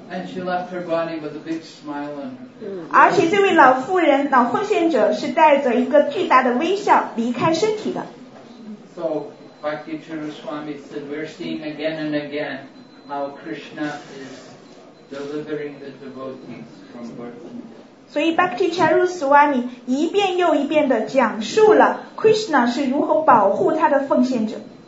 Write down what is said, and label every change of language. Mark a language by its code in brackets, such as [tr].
[en] And she left her body with a big smile on her. [zh] 而且这位老妇人、老奉献者是带着一个巨大的微笑离开身体的。 [en] So,Bhakti Charu Swami said, we're seeing again and again how Krishna is delivering the devotees from birth. [zh] 所以 Bhakti Charu Swami 一遍又一遍地讲述了 Krishna 是如何保护他的奉献者。